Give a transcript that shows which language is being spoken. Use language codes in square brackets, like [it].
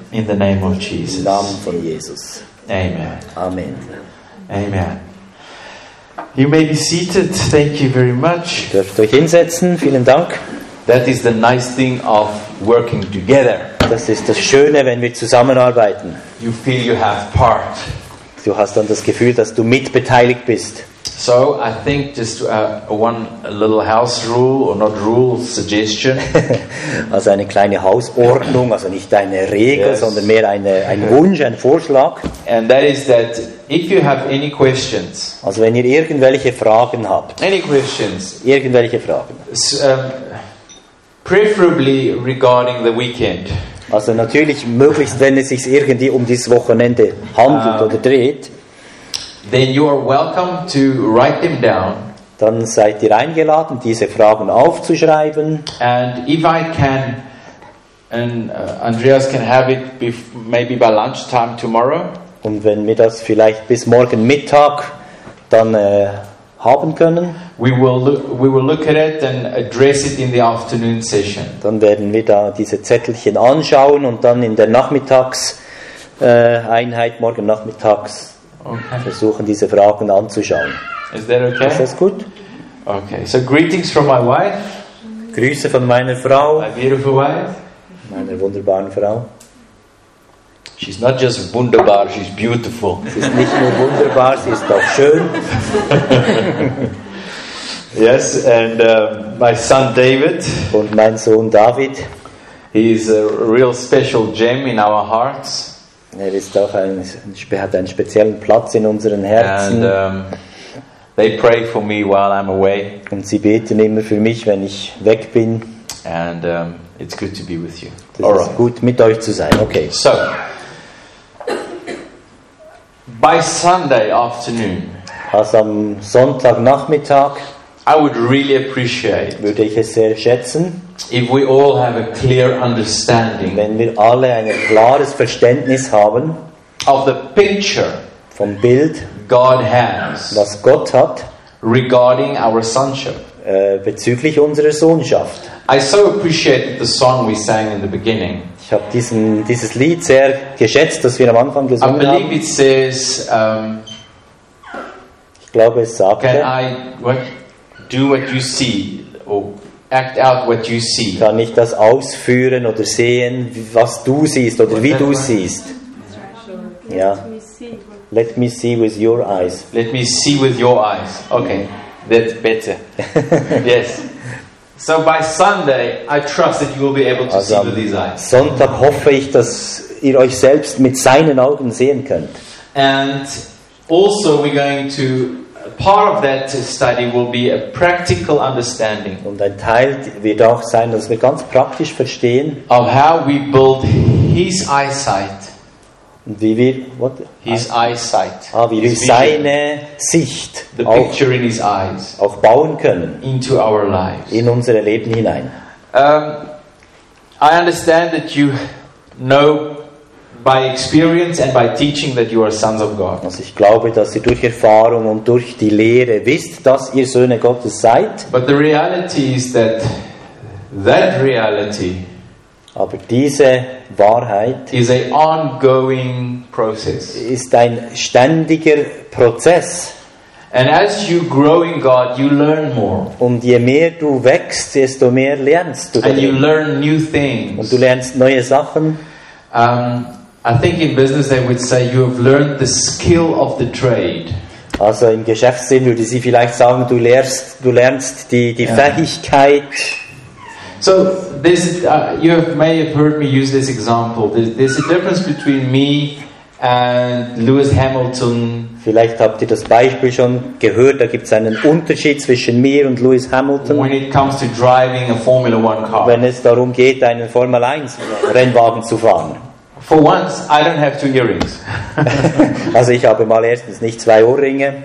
[en] In the name of Jesus. [de] Im Namen von Jesus. [en] Amen. [de] Amen. [en] Amen. You may be seated. Thank you very much. [de] Dürft euch hinsetzen. Vielen Dank. [en] That is the nice thing of working together. [de] Das ist das Schöne, wenn wir zusammenarbeiten. [en] You feel you have part. [de] Du hast dann das Gefühl, dass du mitbeteiligt bist. [en] So, I think just one little house rule, or not rule, suggestion. [de] Also eine kleine Hausordnung, also nicht eine Regel, yes, sondern mehr ein Wunsch, ein Vorschlag. [en] And that is that if you have any questions. [de] Also wenn ihr irgendwelche Fragen habt. [en] Any questions. [de] Irgendwelche Fragen. [en] Preferably regarding the weekend. [de] Also natürlich möglichst, wenn es sich irgendwie um dieses Wochenende handelt oder dreht. [en] Then you are welcome to write them down. [de] Dann seid ihr eingeladen, diese Fragen aufzuschreiben. [en] And if I can, and Andreas can have it maybe by lunchtime tomorrow. [de] Und wenn wir das vielleicht bis morgen Mittag dann haben können. [en] We will look at it and address it in the afternoon session. [de] Dann werden wir da diese Zettelchen anschauen und dann in der Nachmittagseinheit morgen Nachmittags. [en] Okay. [de] Versuchen diese Fragen anzuschauen. [en] Is that okay? [de] Ist das gut? [en] Okay. So greetings from my wife. [de] Grüße von meiner Frau. [en] My beautiful wife. [de] Meiner wunderbaren Frau. [en] She's not just wunderbar, she's beautiful. [de] Sie ist nicht nur wunderbar, sie ist auch schön. [en] Yes, and my son David. [de] Und mein Sohn David. [en] He is a real special gem in our hearts. [de] Er ist auch hat einen speziellen Platz in unseren Herzen. [en] And, they pray for me while I'm away. [de] Und sie beten immer für mich, wenn ich weg bin. [en] And it's good to be with you. [de] Es ist right. Gut, mit euch zu sein. Okay. [en] So, by Sunday afternoon. [de] Also am Sonntagnachmittag. [en] I would really appreciate. [de] Würde ich es sehr schätzen. [en] If we all have a clear understanding, [de] wenn wir alle ein klares Verständnis haben, [en] of the picture, [de] vom Bild, [en] God has, [de] was Gott hat, [en] regarding our sonship, [de] bezüglich unserer Sohnschaft. [en] I so appreciated the song we sang in the beginning. [de] Ich habe dieses Lied sehr geschätzt, das wir am Anfang gesungen haben. [en] I believe it says, [de] ich glaube, es sagte, [en] can I do what you see? Oh. Act out what you see. [de] Kann ich das ausführen oder sehen, was du siehst oder wie du siehst? [en] Ja. Let me see with your eyes. Let me see with your eyes. Okay, that's better. Yes. So by Sunday, I trust that you will be able to also see with these eyes. [de] Sonntag hoffe ich, dass ihr euch selbst mit seinen Augen sehen könnt. [en] And also we're going to. Part of that study will be a practical understanding. [de] Und ein Teil wird auch sein, dass wir ganz praktisch verstehen. [en] Of how we build his eyesight. [de] Wie wir, what? [en] His eyesight. [de] Ah, wie wir seine Sicht. [en] The picture in his eyes. [de] Auch bauen können. [en] Into our lives. [de] In unsere Leben hinein. [en] I understand that you know. By experience and by teaching that you are sons of God. [de] Also ich glaube, dass ihr durch Erfahrung und durch die Lehre wisst, dass ihr Söhne Gottes seid. [en] But the reality is that reality. [de] Aber diese Wahrheit [en] is a ongoing process. [de] Ist ein ständiger Prozess. [en] And as you grow in God, you learn more. [de] Und je mehr du wächst, desto mehr lernst du. [en] And you learn new things. [de] Und du lernst neue Sachen. [en] I think in business they would say you have learned the skill of the trade. [de] Also im Geschäftssinn würde sie vielleicht sagen, du lernst die yeah. Fähigkeit. [en] So this you may have heard me use this example. There's a difference between me and Lewis Hamilton. [de] Vielleicht habt ihr das Beispiel schon gehört. Da gibt es einen Unterschied zwischen mir und Lewis Hamilton. [en] When it comes to driving a Formula One car. [de] Wenn es darum geht, einen Formel 1 Rennwagen zu fahren. [en] For once, I don't have two earrings. [de] Also ich habe mal erstens nicht zwei Ohrringe.